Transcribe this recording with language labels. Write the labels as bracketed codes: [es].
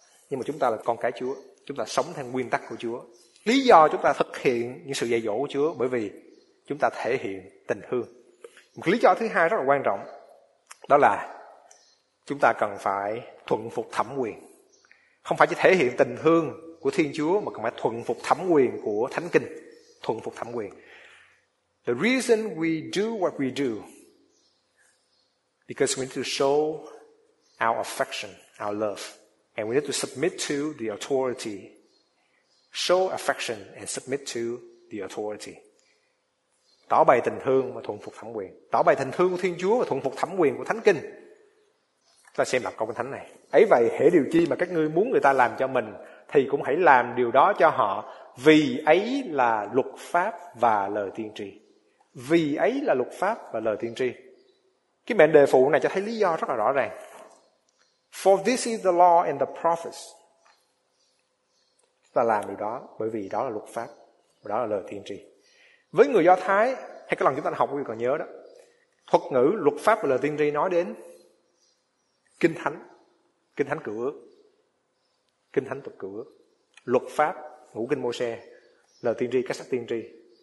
[vi] Nhưng mà chúng ta là con cái Chúa, chúng ta sống theo nguyên tắc của Chúa. Lý do chúng ta thực hiện những sự dạy dỗ của Chúa bởi vì chúng ta thể hiện tình thương. Một lý do thứ hai rất là quan trọng, đó là chúng ta cần phải thuận phục thẩm quyền. Không phải chỉ thể hiện tình thương của Thiên Chúa mà còn phải thuận phục thẩm quyền của Thánh Kinh. Thuận phục thẩm quyền. [en] The reason we do what we do because we need to show our affection, our love, and we need to submit to the authority. Show affection and submit to the authority. [vi] Tỏ bày tình thương và thuận phục thẩm quyền. Tỏ bày tình thương của Thiên Chúa và thuận phục thẩm quyền của Thánh Kinh. Ta xem lại câu Kinh Thánh này. Ấy vậy, hễ điều chi mà các ngươi muốn người ta làm cho mình thì cũng hãy làm điều đó cho họ, vì ấy là luật pháp và lời tiên tri. Vì ấy là luật pháp và lời tiên tri. Cái mệnh đề phụ này cho thấy lý do rất là rõ ràng. [en] For this is the law and the prophets. [vi] Ta làm điều đó bởi vì đó là luật pháp và đó là lời tiên tri. Với người Do Thái, hay cái lần chúng ta học quý vị còn nhớ đó, thuật ngữ luật pháp và lời tiên tri nói đến Kinh Thánh, Kinh Thánh Cựu Ước, Kinh Thánh Tuật Cựu Ước, luật pháp, Ngũ Kinh Môsê, lời tiên tri, các sách tiên tri.